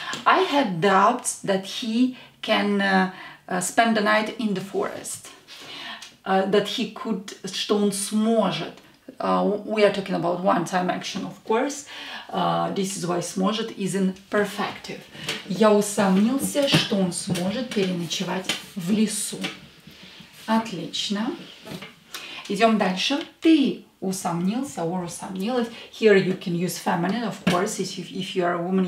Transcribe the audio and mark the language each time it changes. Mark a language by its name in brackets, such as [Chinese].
[English] I had doubts that he can spend the night in the forest. that he could, [Russian] что он сможет. [English] We are talking about one-time action, of course. This is why сможет is in perfective. [Russian] Я усомнился, что он сможет переночевать в лесу. Отлично. Идем дальше. Ты усомнился or усомнилась. [English] Here you can use feminine, of course, if you are a woman.